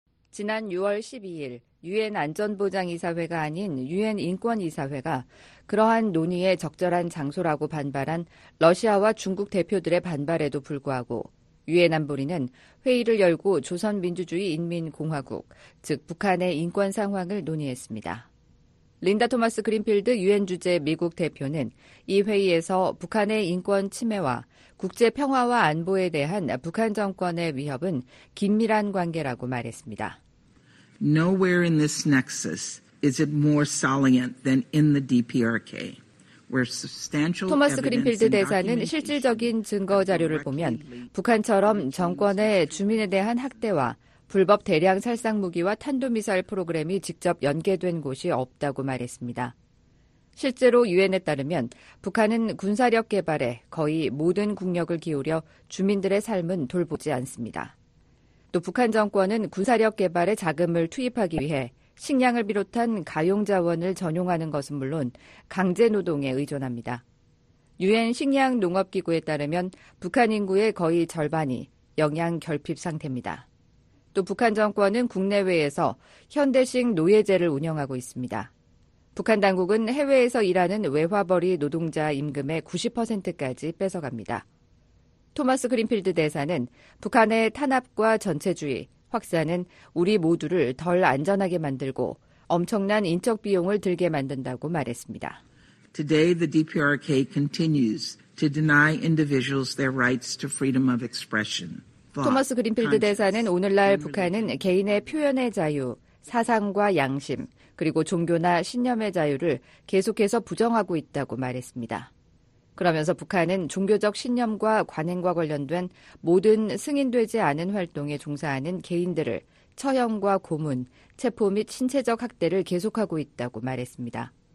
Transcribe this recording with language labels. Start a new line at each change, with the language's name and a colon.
Korean: 지난 6월 12일 유엔 안전보장이사회가 아닌 유엔 인권이사회가 그러한 논의에 적절한 장소라고 반발한 러시아와 중국 대표들의 반발에도 불구하고 유엔 안보리는 회의를 열고 조선민주주의인민공화국, 즉 북한의 인권 상황을 논의했습니다. 린다 토마스 그린필드 유엔 주재 미국 대표는 이 회의에서 북한의 인권 침해와 국제 평화와 안보에 대한 북한 정권의 위협은 긴밀한 관계라고 말했습니다.
English: Nowhere in this nexus is it more salient than in the DPRK.
Korean: 토마스 그린필드 대사는 실질적인 증거 자료를 보면 북한처럼 정권의 주민에 대한 학대와 불법 대량 살상 무기와 탄도미사일 프로그램이 직접 연계된 곳이 없다고 말했습니다. 실제로 유엔에 따르면 북한은 군사력 개발에 거의 모든 국력을 기울여 주민들의 삶은 돌보지 않습니다. 또 북한 정권은 군사력 개발에 자금을 투입하기 위해 식량을 비롯한 가용 자원을 전용하는 것은 물론 강제 노동에 의존합니다. 유엔 식량 농업 기구에 따르면 북한 인구의 거의 절반이 영양 결핍 상태입니다. 또 북한 정권은 국내외에서 현대식 노예제를 운영하고 있습니다. 북한 당국은 해외에서 일하는 외화벌이 노동자 임금의 90%까지 뺏어갑니다. 토마스 그린필드 대사는 북한의 탄압과 전체주의, 확산은 우리 모두를 덜 안전하게 만들고 엄청난 인적 비용을 들게 만든다고 말했습니다.
English: Today the DPRK continues to deny individuals their rights to freedom of expression.
Korean: 토마스 그린필드 대사는 오늘날 북한은 개인의 표현의 자유, 사상과 양심, 그리고 종교나 신념의 자유를 계속해서 부정하고 있다고 말했습니다. 그러면서 북한은 종교적 신념과 관행과 관련된 모든 승인되지 않은 활동에 종사하는 개인들을 처형과 고문, 체포 및 신체적 학대를 계속하고 있다고 말했습니다.